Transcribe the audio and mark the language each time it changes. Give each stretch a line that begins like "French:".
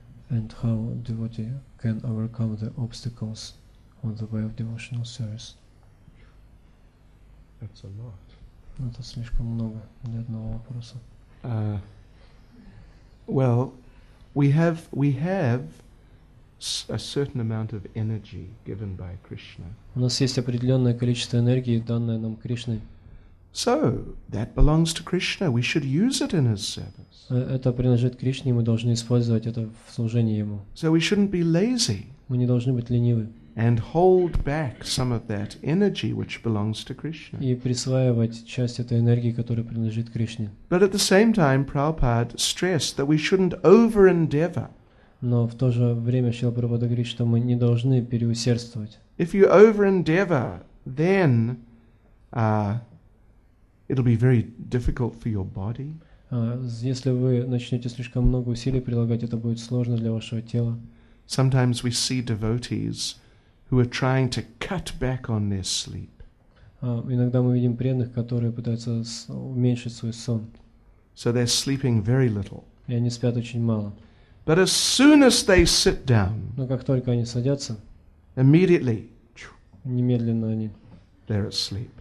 English: And how devotee can overcome the obstacles on the way of devotional service. That's a lot.
Russian: Это слишком много для одного вопроса.
English: Well, we have a certain amount of energy given by Krishna.
Russian: У нас есть определенное количество энергии, данное нам Кришной.
English: So that belongs to Krishna. We should use it in His service.
Russian: Это принадлежит Кришне, мы должны использовать это в служении Ему.
English: So we shouldn't be lazy.
Russian: Мы не должны быть ленивы.
English: And hold back some of that energy which belongs to Krishna.
Russian: И присваивать часть этой энергии, которая принадлежит Кришне.
English: But at the same time, Prabhupada stressed that we shouldn't over-endeavor.
Russian: Но в то же время Шрила Прабхупада говорит, что мы не должны переусердствовать.
English: If you over-endeavor, then it'll be very difficult for your body.
Russian: Если вы начнете слишком много усилий прилагать, это будет сложно для вашего тела.
English: Sometimes we see devotees who are trying to cut back on their sleep.
Russian: Иногда мы видим преданных, которые пытаются уменьшить свой сон.
English: So they're sleeping very little.
Russian: И они спят очень мало.
English: But as soon as they sit down,
Russian: но как только они садятся,
English: immediately,
Russian: немедленно они,
English: they're asleep.